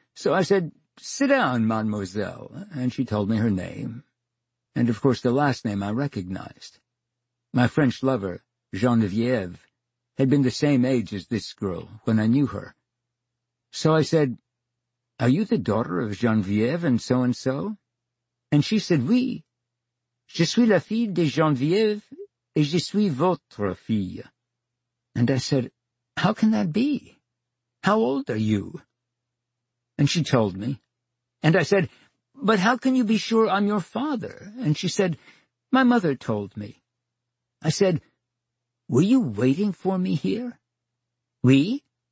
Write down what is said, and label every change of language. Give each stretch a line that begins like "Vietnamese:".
English: So I said, sit down, mademoiselle, and she told me her name, and of course the last name I recognized. My French lover, Genevieve, had been the same age as this girl when I knew her. So I said, are you the daughter of Genevieve and so-and-so?
French: And she said, oui, je suis la fille de Genevieve et je suis votre fille.
English: And I said, how can that be? How old are you? And she told me. And I said, but how can you be sure I'm your father? And she said, my mother told me. I said, were you waiting for me here? Oui?